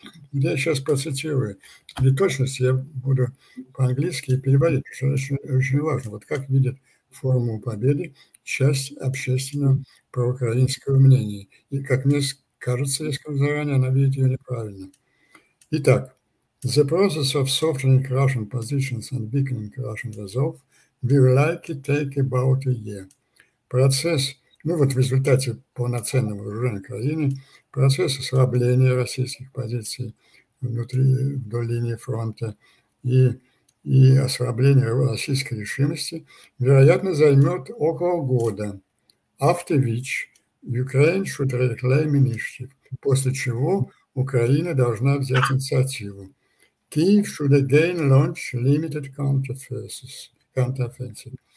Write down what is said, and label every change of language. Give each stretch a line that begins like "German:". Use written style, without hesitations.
Russian: Я сейчас процитирую. Для точности я буду по-английски переводить, потому что очень важно. Вот как видят формулу победы часть общественного проукраинского мнения. И, как мне кажется, я сказал заранее, она видит ее неправильно. Итак,
English: the process of softening Russian positions and weakening Russian resolve will likely take about a year.
Russian: Процесс, ну вот в результате полноценного вооружения Украины, процесс ослабления российских позиций внутри, вдоль линии фронта и ослабление российской решимости, вероятно, займет около года.
English: After which Ukraine should reclaim initiative,
Russian: после чего Украина должна взять инициативу.
English: Kyiv should again launch limited counteroffensive.